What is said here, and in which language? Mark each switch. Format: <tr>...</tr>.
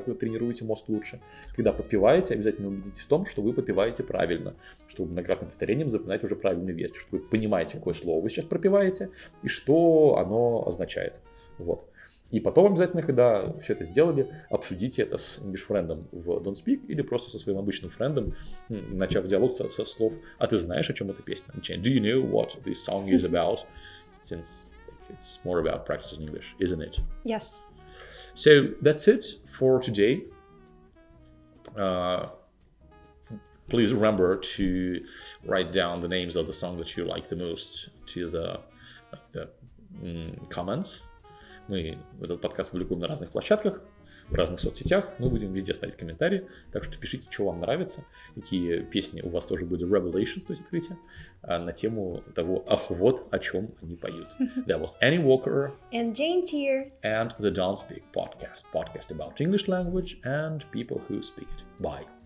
<ru>Так вы тренируете мозг лучше. Когда подпеваете, обязательно убедитесь в том, что вы подпеваете правильно, чтобы многократным повторением запоминать уже правильную вещь, чтобы вы понимаете, какое слово вы сейчас пропеваете и что оно означает. Вот. И потом обязательно, когда все это сделали, обсудите это с English friend'ом в Don't Speak или просто со своим обычным friend'ом, начав диалог со слов «А ты знаешь, о чем эта песня?» Начинает</ru> <en>«Do you know what this song is about?» Since it's more about practicing English, isn't it? Yes. So, that's it for today. Please remember to write down the names of the song that you like the most to the comments.</en> <ru>Мы этот подкаст публикуем на разных площадках, в разных соцсетях. Мы будем везде смотреть комментарии. Так что пишите, что вам нравится. Какие песни у вас тоже были revelations, то есть открытия, на тему того, ах, вот о чем они поют.</ru> <en>That was Annie Walker. And Jane Cheer. And the Don't Speak podcast. Podcast about English language and people who speak it. Bye.</en>